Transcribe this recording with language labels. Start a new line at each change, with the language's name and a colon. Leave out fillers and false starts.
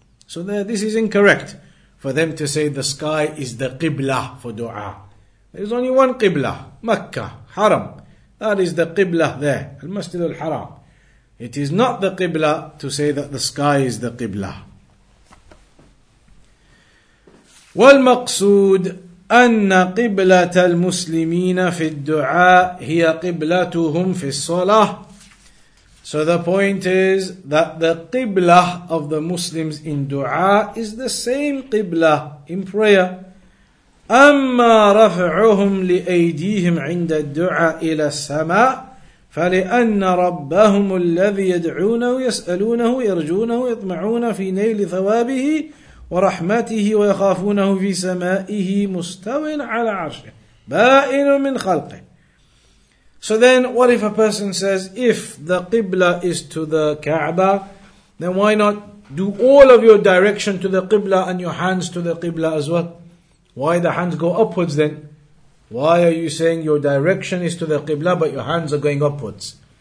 English: So this is incorrect for them to say the sky is the Qibla for dua. There is only one Qibla, Makkah, Haram. That is the Qibla there, Al-Masjid Al-Haram. It is not the Qibla to say that the sky is the Qibla.
Arabic: والمقصود أن قبلة المسلمين في الدعاء هي قبلتهم في الصلاة.
English: So the point is that the Qibla of the Muslims in dua is the same Qibla in prayer.
Arabic: أما رفعهم لأيديهم عند الدعاء إلى السماء فلأن ربهم الذي يدعونه يسألونه يرجونه يطمعون في نيل ثوابه ورحمته ويخافونه في سمائه مستوى على عرشه بائن من خلقه.
English: So then what if a person says, if the Qibla is to the Kaaba, then why not do all of your direction to the Qibla and your hands to the Qibla as well? Why the hands go upwards then? Why are you saying your direction is to the Qibla but your hands are going upwards?